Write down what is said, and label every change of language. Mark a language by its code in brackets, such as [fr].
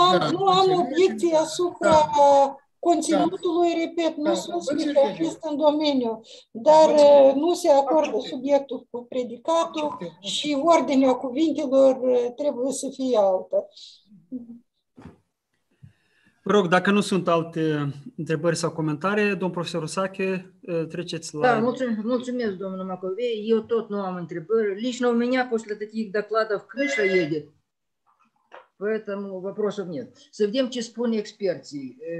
[ro] Nu am obiecții asupra conținutului, repet, nu sunt specialist în domeniu, dar nu se acordă subiectul cu predicatul și ordinea cuvintelor trebuie să fie altă. Vă rog, dacă nu sunt alte întrebări sau comentarii, domn profesor Osache, treceți la... Da, mulțumesc, domnul Macovei, eu tot nu am întrebări. [ru] Лично у меня после таких докладов крыша едет, поэтому вопросов нет. [ro] Să vedem ce spun experții.